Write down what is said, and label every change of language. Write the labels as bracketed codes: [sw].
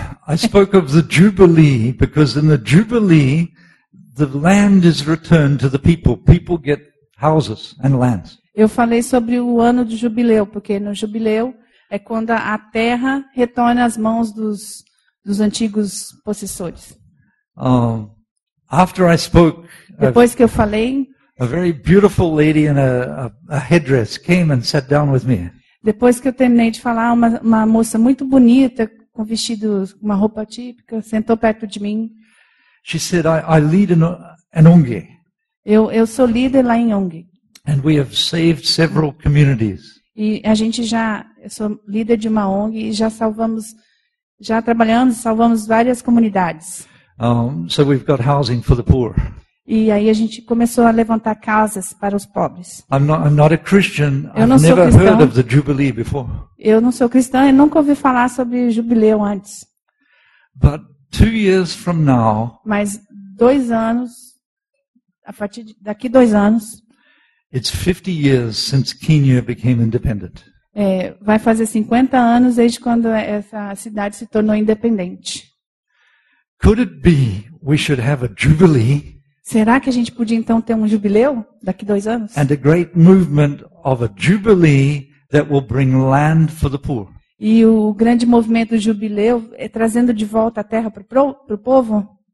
[en] I spoke of the Jubilee because in the Jubilee the land is returned to the people. People get houses and lands. [pt] Eu falei sobre o ano do Jubileu, porque no Jubileu é quando a terra retorna às mãos dos antigos possessores. [en] After I spoke, [pt] depois que eu falei, [en] a very beautiful lady in a headdress came and sat down with me. [pt] Depois que eu terminei de falar, uma moça muito bonita com vestido, uma roupa típica, sentou perto de mim. [en] She said, I lead in an ONG. [pt] Eu sou líder lá em ONG. [en] And we have saved several communities. [pt] E a gente eu sou líder de uma ONG e já trabalhamos e salvamos várias comunidades. [en] So we've got housing for the poor. [pt] E aí a gente começou a levantar casas para os pobres. [en] I'm not a Christian. I've never heard of the Jubilee before. [pt] Eu não sou cristã e nunca ouvi falar sobre jubileu antes. [en] But 2 years from now. [pt] Mas 2 anos, a partir daqui 2 anos. [en] It's 50 years since Kenya became independent. [pt] É, vai fazer 50 anos desde quando essa cidade se tornou independente. [en] Could it be we should have a jubilee? [pt] Será que a gente podia então ter um jubileu daqui 2 anos? [en] And a great movement of a jubilee that will bring land for the poor. [pt] E o grande movimento do jubileu é trazendo de volta a terra para o povo?